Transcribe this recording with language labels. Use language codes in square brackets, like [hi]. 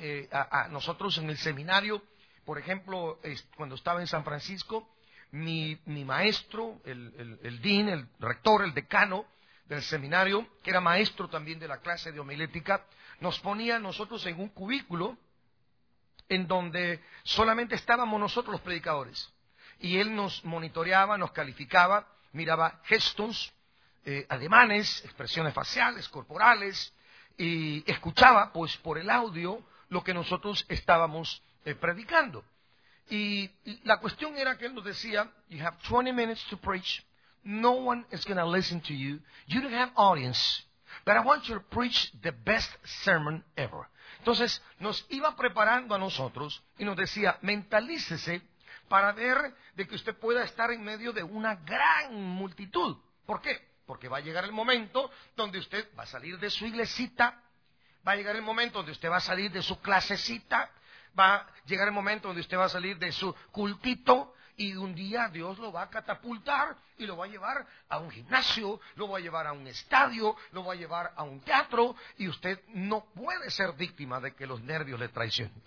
[es] A nosotros en el seminario, por ejemplo, cuando estaba en San Francisco, mi maestro, el dean, el rector, el decano del seminario, que era maestro también de la clase de homilética, nos ponía nosotros en un cubículo en donde solamente estábamos nosotros los predicadores. Y él nos monitoreaba, nos calificaba, miraba gestos, ademanes, expresiones faciales, corporales, y escuchaba, pues, por el audio lo que nosotros estábamos predicando. Y la cuestión era que él nos decía, [en] you have 20 minutes to preach, no one is going to listen to you, you don't have audience, but I want you to preach the best sermon ever. [es] Entonces, nos iba preparando a nosotros y nos decía, mentalícese para ver de que usted pueda estar en medio de una gran multitud. ¿Por qué? Porque va a llegar el momento donde usted va a salir de su iglesita, va a llegar el momento donde usted va a salir de su clasecita, va a llegar el momento donde usted va a salir de su cultito, y un día Dios lo va a catapultar y lo va a llevar a un gimnasio, lo va a llevar a un estadio, lo va a llevar a un teatro, y usted no puede ser víctima de que los nervios le traicionen.